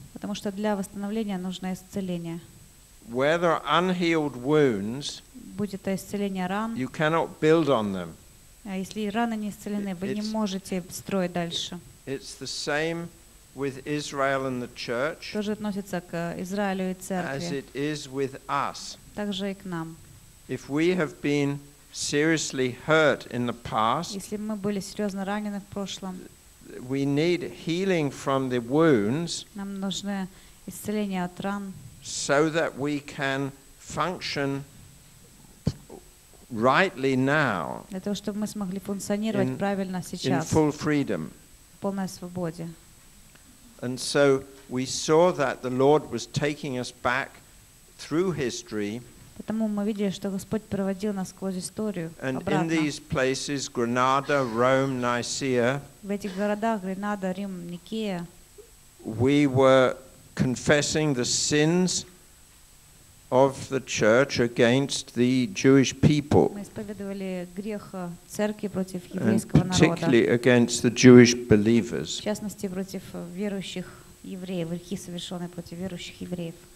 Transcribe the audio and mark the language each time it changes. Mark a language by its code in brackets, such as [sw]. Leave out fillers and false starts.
[ru] Потому что для восстановления нужно исцеление. [en] Whether unhealed wounds, [ru] будь это исцеление ран, [en] you cannot build on them. [ru] А если раны не исцелены, вы не можете строить дальше. [en] It's the same with Israel and the church. [ru] Тоже относится к Израилю и церкви. [en] As it is with us. [ru] Также и к нам. [en] If we have been seriously hurt in the past, [ru] если мы были серьезно ранены в прошлом, [en] we need healing from the wounds. [ru] Нам нужно исцеление от ран. [en] So that we can function rightly now. [ru] Для того, чтобы мы смогли функционировать правильно сейчас. [en] In full freedom. [ru] В полной свободе. [en] And so we saw that the Lord was taking us back through history. [ru] Поэтому мы видели, что Господь проводил нас сквозь историю обратно. [en] And in these places, Granada, Rome, Nicaea. [ru] В этих городах, Гранада, Рим, Никея. [en] We were confessing the sins of the church against the Jewish people. [ru] Мы исповедовали грех церкви против еврейского [en] and [ru] народа. [en] Particularly against the Jewish believers. [ru] В частности, против верующих евреев, грехи, совершенные против верующих евреев.